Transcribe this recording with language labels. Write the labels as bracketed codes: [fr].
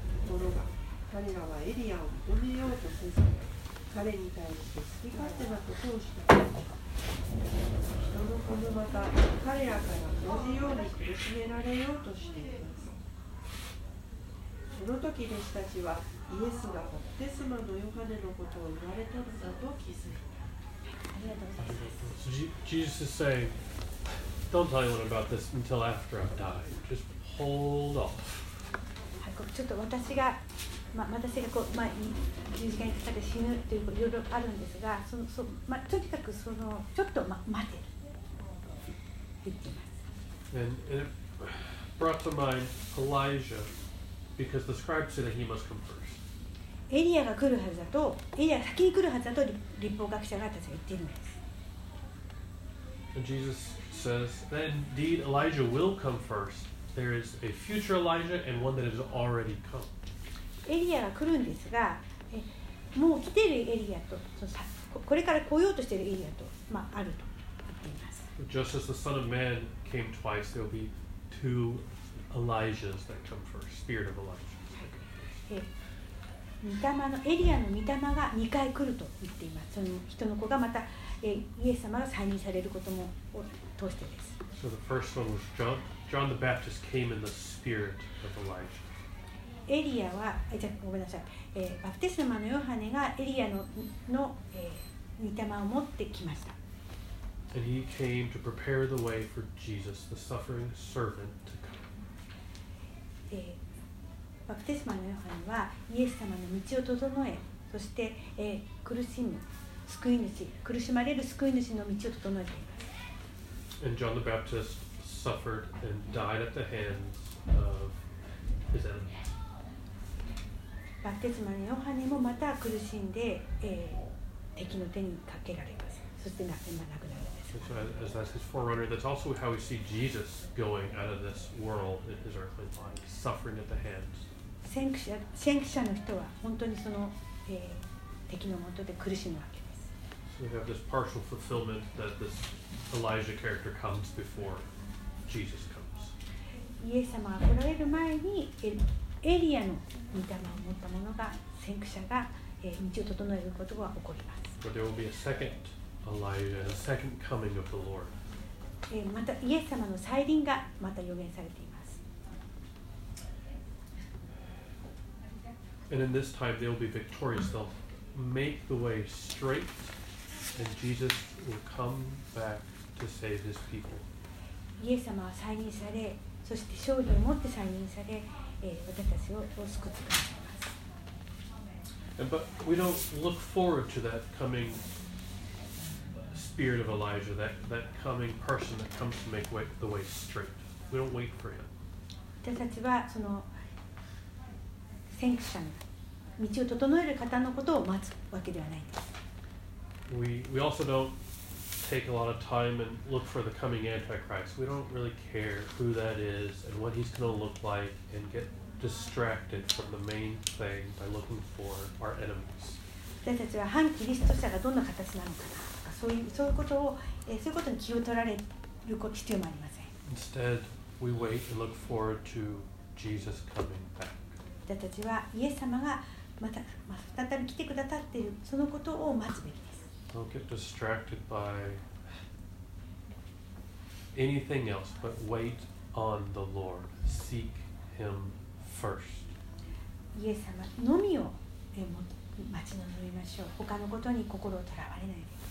[ja] ところが彼らはエリアを認めようとせず、彼に対して好き勝手なことをしたのです。人の子もまた彼らから同じように苦しめられようとしています。その時弟子たちはイエスがバプテスマのヨハネのことを言われたのだと気づいた。 [en] Jesus is saying, don't tell anyone about this until after I've died. Just hold off. [ja] ちょっと私がまあ、私がこう、まあ、十字架にかかって死ぬというかいろいろあるんですが、そのそ、まあ、とにかくそのちょっと、ま、待てるって言ってます。 [en] And it brought to mind Elijah because the scribe said that he must come first. [ja] エリアが来るはずだと、エリアが先に来るはずだと律法学者がたちが言っているんです。 [en] And Jesus says that indeed Elijah will come first. There is a future Elijah and one that has already come. [ja] エリアが来るんですが、もう来ているエリアと、これから来ようとしているエリアと、まあ、あると言っています。 [en] Just as the Son of Man came twice, there will be two Elijahs that come first, Spirit of Elijah. [ja] 御霊のエリアの御霊が2回来ると言っています。その人の子がまた、イエス様が再任されることも通してです。 [en] So the first one was John. John the Baptist came in the Spirit of Elijah. [ja] エリアは、ごめんなさい、バプテスマのヨハネがエリア の、御霊を持ってきました。 [en] And he came to prepare the way for Jesus, the suffering servant, to come. [ja] バプテスマのヨハネはイエス様の道を整え、そして、苦しむ救い主、苦しまれる救い主の道を整えています。 [en] And John the Baptist suffered and died at the hands of his enemies. [ja] バプテスマのヨハネもまた苦しんで、敵の手にかけられます。そして亡くなるんです。 [en] So, as that's his forerunner, that's also how we see Jesus going out of this world in his earthly life, suffering at the hands. [ja] 先駆者の人は本当にその、敵のもとで苦しむわけです。 [en] So we have this partial fulfillment that this Elijah character comes before Jesus comes. [ja] イエス様が来られる前にエリアの御霊を持った者が先駆者が、道を整えることが起こります。 [en] But there will be a second Elijah and a second coming of the Lord. [ja] またイエス様の再臨がまた予言されています。 [en] And in this time they will be victorious. They'll make the way straight and Jesus will come back to save his people. [ja] イエス様は再臨され、そして勝利を持って再臨され、私たちを救ってくださいます。 [en] But we don't look forward to that coming spirit of Elijah, that coming person that comes to make way, the way straight. We don't wait for him. [ja] 私たちはその先駆者の道を整える方のことを待つわけではないです。 [en] We also don't take a lot of time and look for the coming Antichrist. We don't really care who that is and what he's going to look like and get distracted from the main thing by looking for our enemies. [ja] 私たちは反キリスト者がどんな形なのかなとか、そういうことを、そういうことに気を取られること必要もありません。 [en] Instead, we wait and look forward to Jesus coming back. [ja] 私たちはイエス様がまた再び来てくださっているそのことを待つべきです。 [en] Don't get distracted by anything else, but wait on the Lord. Seek Him first. [ja] イエス様のみを待ち望みましょう。他のことに心をとらわれないで。